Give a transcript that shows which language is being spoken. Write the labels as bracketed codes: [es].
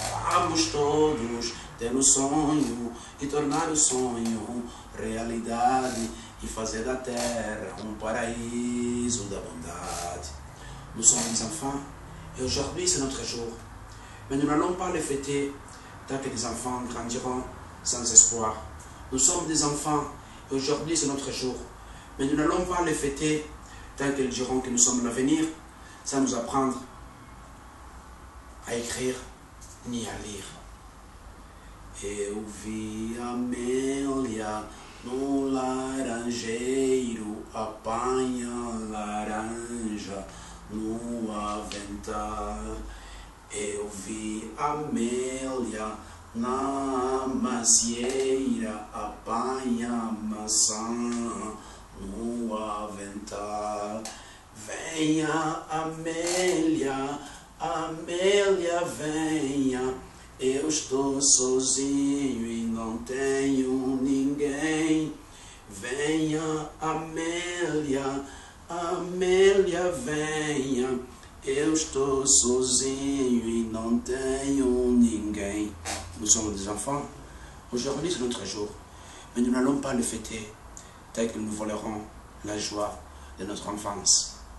[pt] Vamos todos ter um sonho e tornar o sonho realidade, e fazer da terra um paraíso da bondade. [fr] Nous sommes des enfants, et aujourd'hui c'est notre jour. Mais nous n'allons pas les fêter tant que les enfants grandiront sans espoir. Nous sommes des enfants, et aujourd'hui c'est notre jour. Mais nous n'allons pas les fêter tant qu'ils diront que nous sommes l'avenir sans nous apprendre à écrire ni à lire. [pt] Eu vi Amélia no laranjeiro, apanha laranja no avental. Eu vi Amélia na macieira, apanha maçã no avental. Venha Amélia, Amélia, venha. Eu estou sozinho e não tenho ninguém. Venha Amélia, Amélia, venha. Eu estou sozinho e não tenho ninguém. [fr] Nous sommes des enfants, aujourd'hui c'est notre jour. Mais nous n'allons pas le fêter tant que nous volerons la joie de notre enfance.